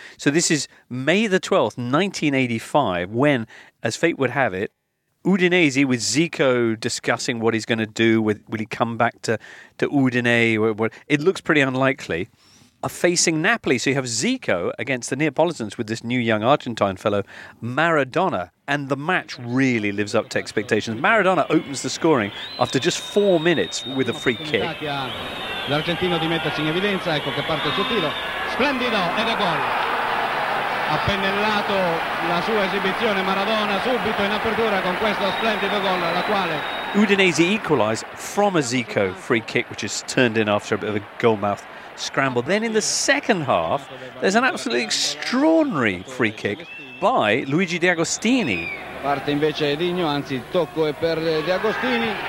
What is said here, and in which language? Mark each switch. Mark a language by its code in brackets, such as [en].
[en] So this is May the 12th, 1985, when, as fate would have it, Udinese, with Zico discussing what he's going to do, will he come back to Udinese? It looks pretty unlikely. Are facing Napoli. So you have Zico against the Neapolitans with this new young Argentine fellow, Maradona. And the match really lives up to expectations. Maradona opens the scoring after just 4 minutes with a free kick. [it] L'Argentino di mettersi in evidenza, ecco che parte il suo tiro. Splendido, ed è gol. Ha pennellato la sua esibizione Maradona subito in apertura con questo splendido gol, la quale [en] Udinese equalised from a Zico free kick, which is turned in after a bit of a goal mouth scramble. Then in the second half, there's an absolutely extraordinary free kick by Luigi De Agostini. [it] Parte invece Edinho, anzi tocco è per De Agostini.